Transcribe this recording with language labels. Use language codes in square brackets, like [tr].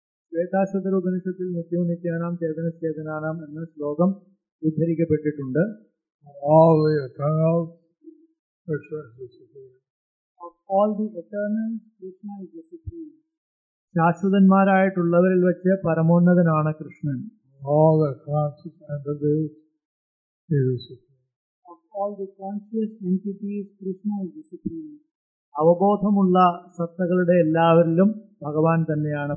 [ml] ശ്വേതാശ്വതര ഉപനിഷത്തിൽ [sa] നിത്യവും നിത്യാനാം ചേതനശ്ചേതനാനാം [ml] എന്ന ശ്ലോകം ഉദ്ധരിക്കപ്പെട്ടിട്ടുണ്ട്. [en] All the eternals, of all the eternals, Krishna is the supreme. [ml] ശാശ്വതന്മാരായിട്ടുള്ളവരിൽ വെച്ച് പരമോന്നതനാണ് Krishnan. [en] All the conscious entities, he is the supreme. Of all the conscious entities, Krishna is the supreme. [ml] അവബോധമുള്ള സത്തകളുടെ എല്ലാവരിലും ഭഗവാൻ തന്നെയാണ്